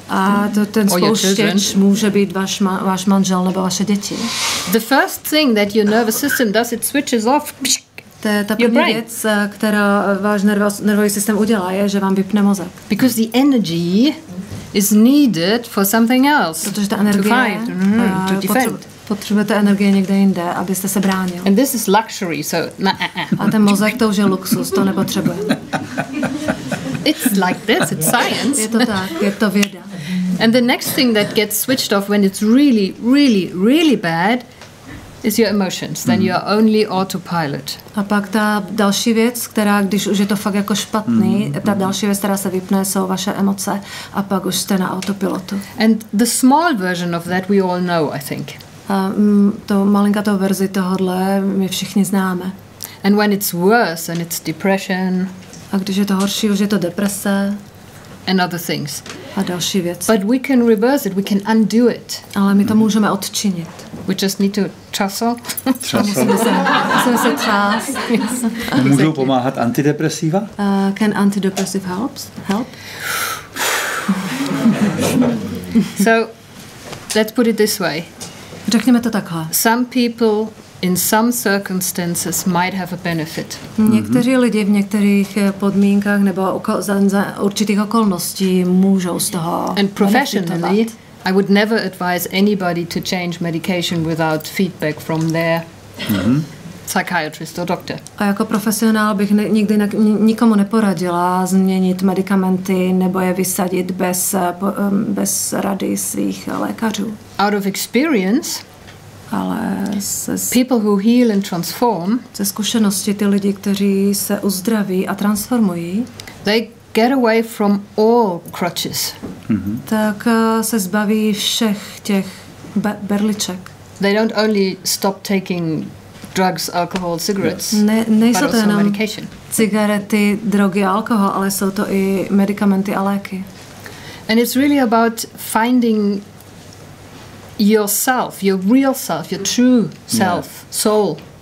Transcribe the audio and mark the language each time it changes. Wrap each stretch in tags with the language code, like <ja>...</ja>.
<cs>A to ten spouštěč může být váš manžel nebo vaše děti.</cs> <en>The first thing that your nervous system does, it switches off.</en> <cs>To je ta první věc, která váš nervový systém udělá, je, že vám vypne mozek.</cs> <en>Because the energy is needed for something else.</en> <cs>Protože ta energie</cs> <en>to fight, to defend.</en> <cs>Potřebujete energie někde jinde, abyste se bránil.</cs> <en>And this is luxury, so</en> <cs>A ten mozek, to už je luxus, to nepotřebuje.</cs> <en>It's like this, it's science.</en> <cs>Je to tak, je to věda.</cs> <en>And the next thing that gets switched off when it's really, really, really bad is your emotions. Then you are only autopilot.</en> <cs>A pak ta další věc, která, když už je to fakt jako špatný, ta další věc, která se vypne, jsou vaše emoce a pak už jste na autopilotu.</cs> <en>And the small version of that we all know, I think.</en> <cs>A to malinkatou verzi tohodle my všichni známe.</cs> <en>And when it's worse and it's depression.</en> <cs>A když je to horší, už je to deprese.</cs> <en>And other things.</en> <cs>A další věc.</cs> <en>But we can reverse it, we can undo it.</en> <cs>Ale my to můžeme odčinit.</cs> <en>We just need to trussle.</en> <cs>Musíme se trást. Můžou pomáhat antidepresiva?</cs> <en>Can antidepressive help? So, let's put it this way.</en> <cs>Řekněme to takhle.</cs> <en>Some people in some circumstances might have a benefit.</en> <cs>Někteří lidi v některých podmínkách nebo za určitých okolností můžou z toho benefitovat.</cs> <en>And professionally, I would never advise anybody to change medication without feedback from their psychiatrist or doctor.</en> <cs>A jako profesionál bych nikdy nikomu neporadila změnit medikamenty nebo je vysadit bez rady svých lékařů.</cs> <en>Out of experience,</en> <cs>ale</cs> <en>people who heal and transform,</en> <cs>ze zkušenosti ty lidi, kteří se uzdraví a transformují,</cs> <en>they get away from all crutches.</en> <cs>Tak se zbaví všech těch berliček.</cs> <en>They don't only stop taking drugs, alcohol, cigarettes.</en> <cs>Nejsou to jenom cigarety, drogy a alkohol, ale jsou to i medikamenty a léky.</cs> <en>And it's really about finding yourself, your real self, your true self, soul.</en>